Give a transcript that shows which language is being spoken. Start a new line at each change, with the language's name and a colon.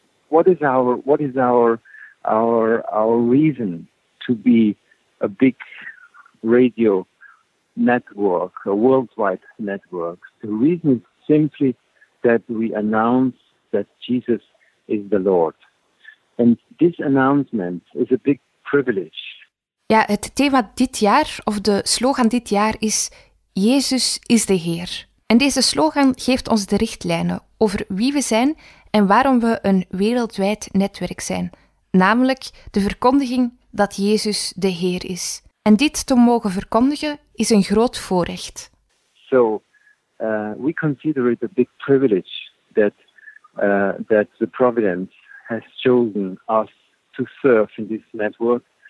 English: What is our reason to be a big radio network, a worldwide network? The reason is simply that we announce that Jesus is the Lord. And this announcement is a big privilege.
Dutch: Ja, het thema dit jaar, of de slogan dit jaar, is Jezus is de Heer. En deze slogan geeft ons de richtlijnen over wie we zijn en waarom we een wereldwijd netwerk zijn. Namelijk de verkondiging dat Jezus de Heer is. En dit te mogen verkondigen is een groot voorrecht.
English: So, we consider it a big privilege that the Providence has chosen us to serve in this network.